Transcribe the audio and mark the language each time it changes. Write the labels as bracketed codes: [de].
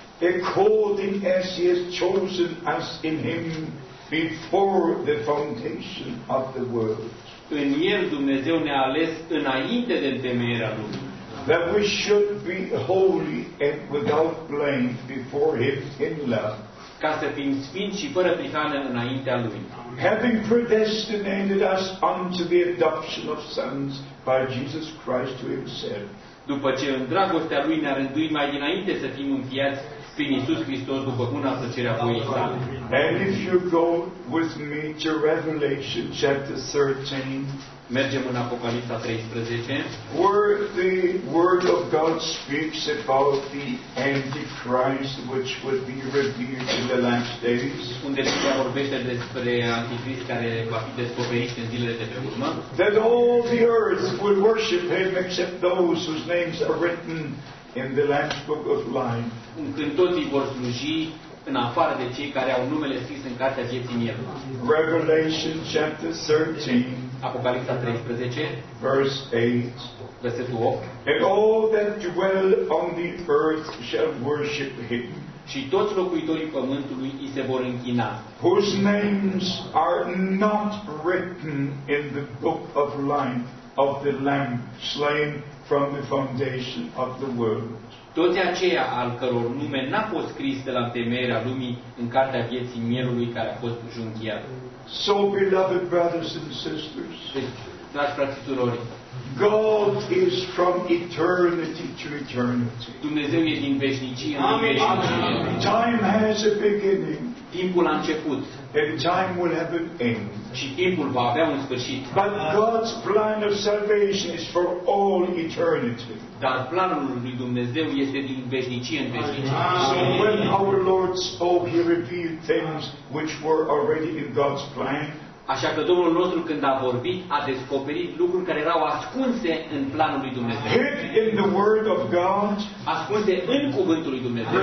[en] according as he has chosen us in him before the foundation of the world. [ro] În el Dumnezeu ne-a ales înainte de întemeierea lumii. [en] That we should be holy and without blame before him in love. [ro] Ca să fim sfinți și fără prihană înaintea lui. [en] Having predestinated us unto the adoption of sons by Jesus Christ to himself. [ro] După ce în dragostea lui ne-a rânduit mai dinainte să fim înfiați prin Iisus Hristos după buna plăcerea voiei sale. [en] And if you go with me to Revelation chapter 13. [ro] Mergem în Apocalipsa 13. [en] Where the word of God speaks about the Antichrist which would be revealed in the last days. [ro] Unde Biblia vorbește despre Antichrist care va fi descoperit în zilele de pe urmă. [en] That all the earth would worship him except those whose names are written in the last book of life. [ro] Când toți vor sluji în afară de cei care au numele scris în cartea vieții mele. [en] Revelation chapter 13. [ro] Apocalipsa 13. [en] Verse 8. [ro] Versetul 8. [en] And all that dwell on the earth shall worship him. [ro] Și toți locuitorii pământului îi se vor închina. [en] Whose names are not written in the book of life of the Lamb slain from the foundation of the world. [ro] Toți aceia al căror nume n-a fost scris de la întemeierea lumii în cartea vieții mielului care a fost junghiat. [en] So beloved brothers and sisters, [ro] dragi frați și surori, [en] God is from eternity to eternity. [ro] Dumnezeu e din veșnicie în veșnicie. [en] Time has a beginning. [ro] Timpul a început. [en] And time will have an end. [ro] Și timpul va avea un sfârșit. [en] But God's plan of salvation is for all eternity. [ro] Dar planul lui Dumnezeu este din veșnicie în veșnicie. [en] So when our Lord spoke, he revealed things which were already in God's plan. [ro] Așa că Domnul nostru când a vorbit, a descoperit lucruri care erau ascunse în planul lui Dumnezeu. [en] Hid in the word of God, [ro] ascunse în cuvântul lui Dumnezeu.